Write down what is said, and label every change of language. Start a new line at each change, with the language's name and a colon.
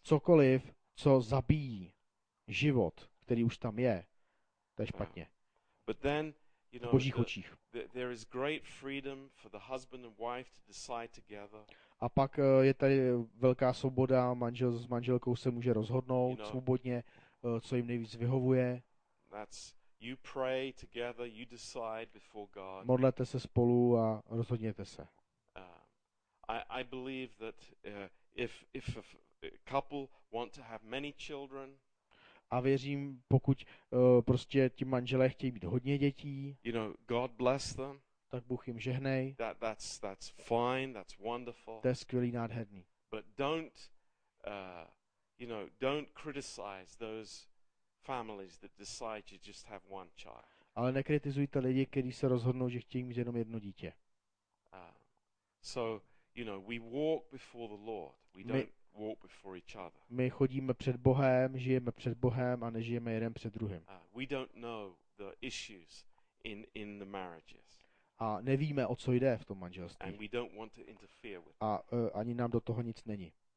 Czech: Cokoliv, co zabíjí život, který už tam je, to je špatně.
English: But then, you know,
Czech: v Božích očích.
English: There is great freedom for the husband and wife to decide together.
Czech: A pak je tady velká svoboda, manžel s manželkou se může rozhodnout,
English: you know,
Czech: svobodně, co jim nejvíc vyhovuje.
English: You pray together, you decide before God.
Czech: Modlete se spolu a rozhodněte se.
English: I believe that if a couple want to have many children.
Czech: A věřím, pokud prostě ti manželé chtějí mít hodně dětí.
English: You know, God bless them.
Czech: Tak Bůh jim žehnej.
English: That's fine, that's wonderful.
Czech: To je skvělý, nádherný.
English: But don't you know, don't criticize those families that decide to just have one child.
Czech: Ale nekritizujte lidi, kteří se rozhodnou, že chtějí mít jenom jedno dítě.
English: So you know, we walk before the Lord. We don't walk before each other.
Czech: My chodíme před Bohem, žijeme před Bohem a nežijeme jeden před druhým.
English: We don't know the issues in the marriages.
Czech: A nevíme, o co jde v tom manželství.
English: And we don't want to interfere with.
Czech: A ani nám do toho nic není.